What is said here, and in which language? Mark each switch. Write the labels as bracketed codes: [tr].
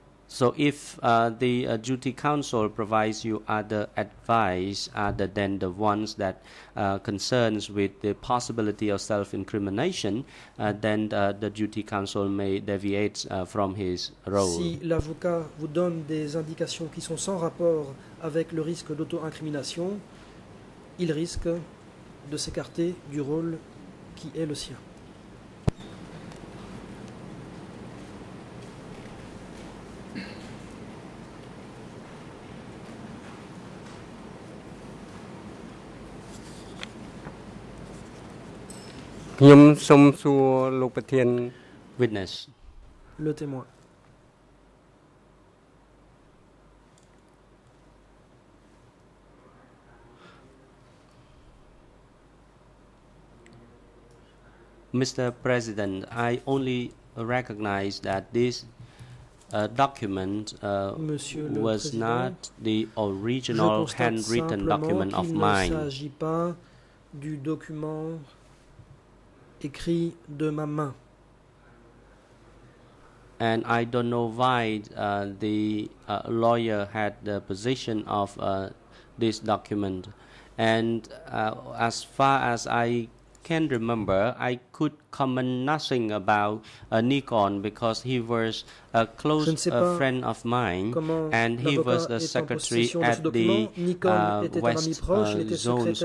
[en] So if the duty counsel provides you other advice other than the ones that concerns with the possibility of self-incrimination, then the duty counsel may deviate from his role. [fr] Si l'avocat vous donne des indications qui sont sans rapport avec le risque d'auto-incrimination, il risque de s'écarter du rôle qui est le sien. [km] Khnyom som sua lok prathean [en] witness. [fr] Le témoin. [en] Mr. President, I only recognize that this document was not the original handwritten document of mine. [fr] Il ne s'agit pas du document écrit de ma main. [en] And I don't know why the lawyer had the position of this document. And as far as I can remember, I could comment nothing about Nikon because he was a close friend of mine and he was the secretary at the West zone.